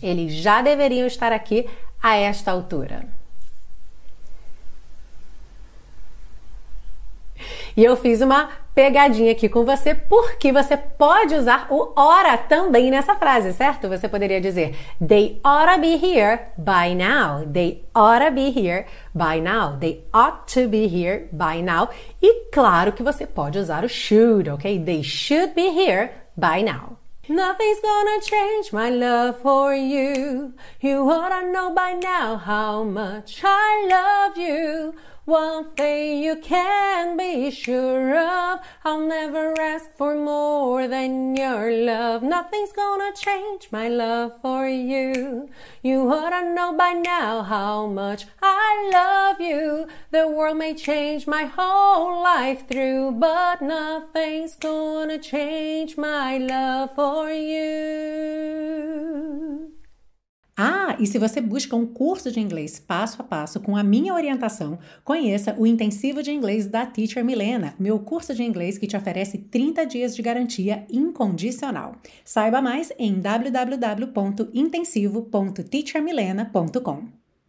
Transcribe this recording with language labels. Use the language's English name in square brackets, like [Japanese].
[Portuguese] Eles já deveriam estar aqui a esta altura. E eu fiz uma pegadinha aqui com você, porque você pode usar o ora também nessa frase, certo? Você poderia dizer, [English] they ought to be here by now. They ought to be here by now. They ought to be here by now. [Portuguese] E claro que você pode usar o should, ok? [English] They should be here by now. Nothing's gonna change my love for you. You oughta know by now how much I love you. One thing you can be sure of, I'll never ask for more than your love. Nothing's gonna change my love for you. You oughta know by now how much I love you. The world may change my whole life through, but nothing's gonna change my love for you. [Portuguese] Ah, e se você busca um curso de inglês passo a passo com a minha orientação, conheça o Intensivo de Inglês da Teacher Milena, meu curso de inglês que te oferece 30 dias de garantia incondicional. Saiba mais em www.intensivo.teachermilena.com.